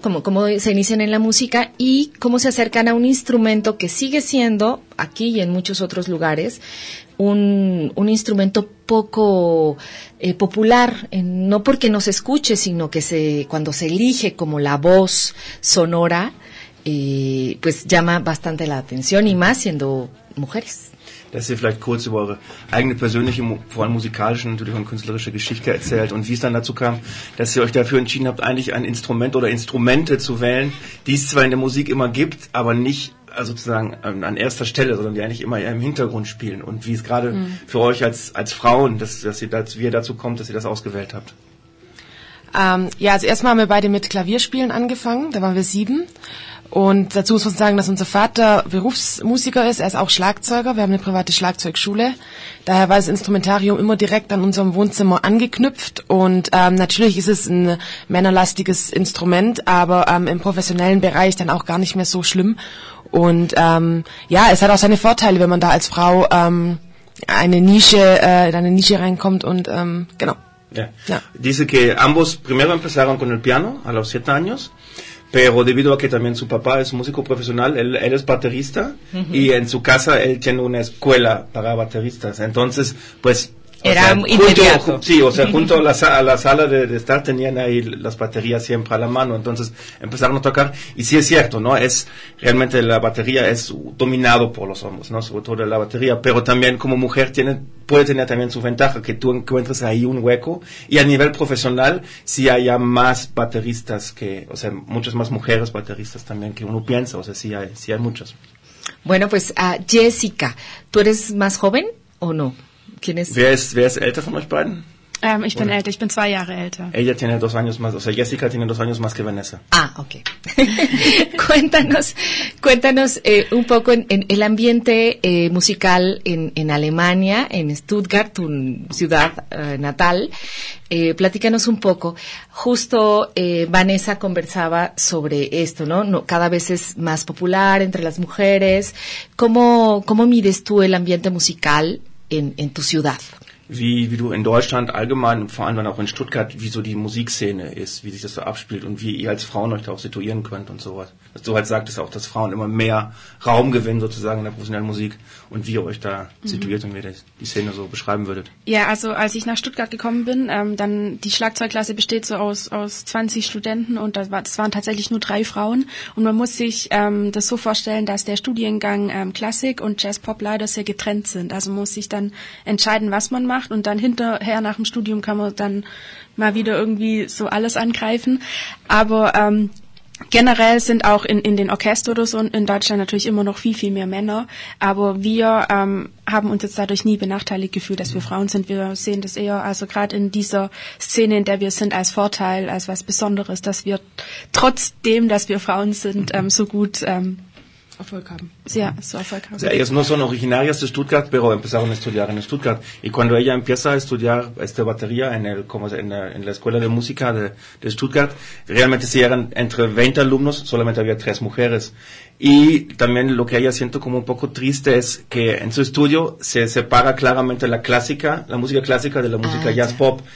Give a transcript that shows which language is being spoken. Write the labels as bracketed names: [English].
[Spanish] Cómo se inician en la música y cómo se acercan a un instrumento que sigue siendo, aquí y en muchos otros lugares, un instrumento poco popular, no porque no se escuche, sino que cuando se elige como la voz sonora, pues llama bastante la atención, y más siendo mujeres. [German] Dass ihr vielleicht kurz über eure eigene persönliche, vor allem musikalische natürlich und künstlerische Geschichte erzählt und wie es dann dazu kam, dass ihr euch dafür entschieden habt, eigentlich ein Instrument oder Instrumente zu wählen, die es zwar in der Musik immer gibt, aber nicht sozusagen an erster Stelle, sondern die eigentlich immer im Hintergrund spielen. Und wie es gerade für euch als Frauen, wie ihr dazu kommt, dass ihr das ausgewählt habt. Ja, also erstmal haben wir beide mit Klavierspielen angefangen, da waren wir 7. Und dazu muss man sagen, dass unser Vater Berufsmusiker ist, er ist auch Schlagzeuger, wir haben eine private Schlagzeugschule. Daher war das Instrumentarium immer direkt an unserem Wohnzimmer angeknüpft. Und natürlich ist es ein männerlastiges Instrument, aber im professionellen Bereich dann auch gar nicht mehr so schlimm. Und ja, es hat auch seine Vorteile, wenn man da als Frau in eine Nische reinkommt und genau. Yeah. Ja. [Spanish] Dice que ambos primero empezaron con el piano a los 7 años. Pero debido a que también su papá es músico profesional, él es baterista, y en su casa él tiene una escuela para bateristas. Entonces, pues... Era inmediato. Sí, o sea, junto a la sala de estar tenían ahí las baterías siempre a la mano. Entonces empezaron a tocar. Y sí es cierto, ¿no? Es realmente la batería es dominado por los hombres, ¿no? Sobre todo la batería. Pero también como mujer puede tener también su ventaja, que tú encuentres ahí un hueco. Y a nivel profesional, sí hay más bateristas muchas más mujeres bateristas también que uno piensa. O sea, sí hay muchas. Bueno, pues, Jessica, ¿tú eres más joven o no? ¿Quién es? [German] ¿Wer ist älter von euch beiden? Ich bin älter, ich bin 2 Jahre älter. [Spanish] Ella tiene 2 años más, o sea, Jessica tiene 2 años más que Vanessa. Ah, okay. cuéntanos un poco en el ambiente musical en Alemania, en Stuttgart, tu ciudad natal. Platícanos un poco. Justo Vanessa conversaba sobre esto, ¿no? ¿no? Cada vez es más popular entre las mujeres. ¿Cómo mides tú el ambiente musical in tu ciudad? [German] Wie du in Deutschland allgemein, vor allem dann auch in Stuttgart, wie so die Musikszene ist, wie sich das so abspielt und wie ihr als Frauen euch da auch situieren könnt und sowas. Dass du halt sagtest auch, dass Frauen immer mehr Raum gewinnen sozusagen in der professionellen Musik und wie ihr euch da situiert und wie ihr die Szene so beschreiben würdet. Ja, also als ich nach Stuttgart gekommen bin, dann die Schlagzeugklasse besteht so aus 20 Studenten und das waren tatsächlich nur 3 Frauen. Und man muss sich das so vorstellen, dass der Studiengang Klassik und Jazz-Pop leider sehr getrennt sind. Also muss sich dann entscheiden, was man macht und dann hinterher nach dem Studium kann man dann mal wieder irgendwie so alles angreifen. Aber generell sind auch in den Orchester oder so in Deutschland natürlich immer noch viel, viel mehr Männer. Aber wir haben uns jetzt dadurch nie benachteiligt gefühlt, dass wir Frauen sind. Wir sehen das eher, also gerade in dieser Szene, in der wir sind, als Vorteil, als was Besonderes, dass wir trotzdem, dass wir Frauen sind, so gut Erfolg haben. [Spanish] Sí, ellas no son originarias de Stuttgart, pero empezaron a estudiar en Stuttgart. Y cuando ella empieza a estudiar batería en la escuela de música de Stuttgart, realmente sí eran entre 20 alumnos, solamente había 3 mujeres. Y también lo que ella siente como un poco triste es que en su estudio se separa claramente la música clásica de la música jazz pop.